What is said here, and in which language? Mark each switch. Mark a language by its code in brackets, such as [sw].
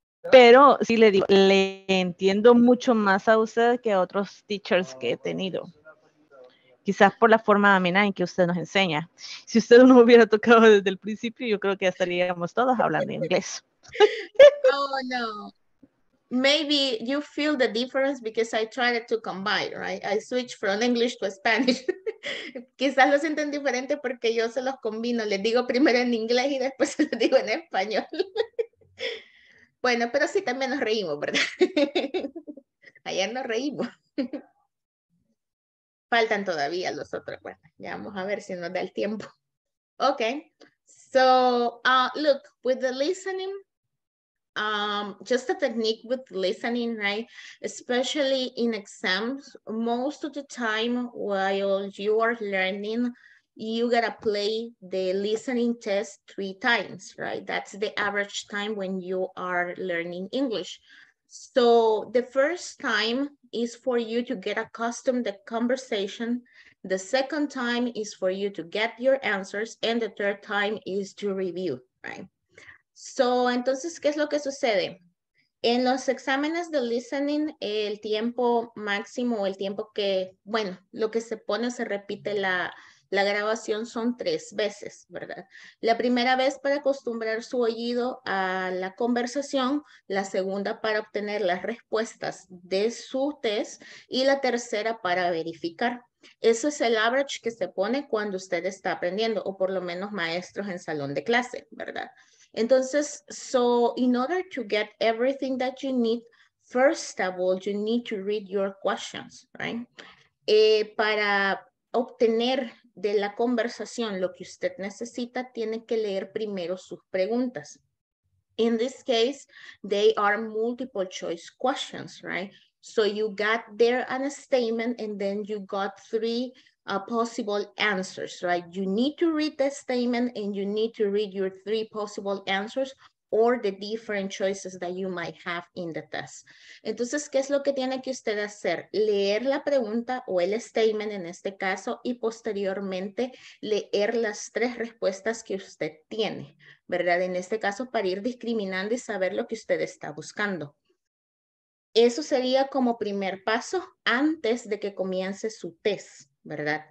[es] Pero sí le digo, le entiendo mucho más a usted que a otros teachers que he tenido. Quizás por la forma amena en que usted nos enseña. Si usted no hubiera tocado desde el principio, yo creo que ya estaríamos todos hablando inglés. [en] Oh, no. Maybe you feel the difference because I tried to combine, right? I switched from English to Spanish. [es] Quizás lo sienten diferente porque yo se los combino. Les digo primero en inglés y después se los digo en español. Bueno, pero sí también nos reímos, ¿verdad? Ayer nos reímos. Faltan todavía los otros. Bueno, ya vamos a ver si nos da el tiempo. [en] Okay. So, look, with the listening, just a technique with listening, right? Especially in exams, most of the time while you are learning, you gotta play the listening test 3 times, right? That's the average time when you are learning English. So the first time is for you to get accustomed to the conversation. The second time is for you to get your answers. And the third time is to review, right? [es] So, entonces, ¿qué es lo que sucede? En los exámenes de listening, el tiempo máximo, el tiempo que, bueno, lo que se pone, se repite la, La grabación son tres veces, ¿verdad? La primera vez para acostumbrar su oído a la conversación, la segunda para obtener las respuestas de su test y la tercera para verificar. Ese es el average que se pone cuando usted está aprendiendo, o por lo menos maestros en salón de clase, ¿verdad? [en] Entonces, so in order to get everything that you need, first of all, you need to read your questions, right? [es] Para obtener de la conversación lo que usted necesita, tiene que leer primero sus preguntas. [en] In this case, they are multiple choice questions, right? So you got there an statement and then you got three possible answers, right? You need to read the statement and you need to read your three possible answers or the different choices that you might have in the test. [es] Entonces, ¿qué es lo que tiene que usted hacer? Leer la pregunta o el statement en este caso y posteriormente leer las tres respuestas que usted tiene, ¿verdad? En este caso, para ir discriminando y saber lo que usted está buscando. Eso sería como primer paso antes de que comience su test, ¿verdad?